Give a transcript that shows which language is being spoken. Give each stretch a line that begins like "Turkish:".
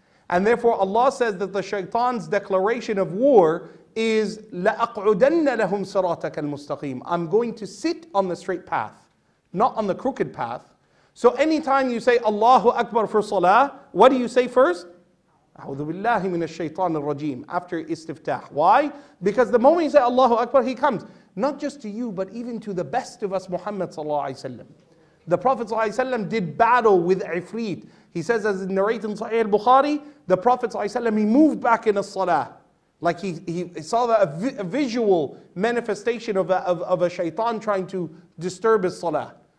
English: And therefore Allah says that the shaitan's declaration of war is
Arabic: لَأَقْعُدَنَّ لَهُمْ صَرَاتَكَ الْمُسْتَقِيمِ.
English: I'm going to sit on the straight path, not on the crooked path. So anytime you say Allahu Akbar for salah, what do you say first?
Arabic: أعوذ بالله من الشيطان الرجيم,
English: after istiftah. Why? Because the moment you say Allahu Akbar, he comes. Not just to you, but even to the best of us, Muhammad sallallahu alayhi wa sallam. The Prophet sallallahu alayhi wa sallam did battle with Ifrit. He says, as narrated in Sahih al-Bukhari, the Prophet sallallahu alayhi wa sallam, he moved back in his salah. Like he saw a visual manifestation of a shaitan trying to disturb his salah.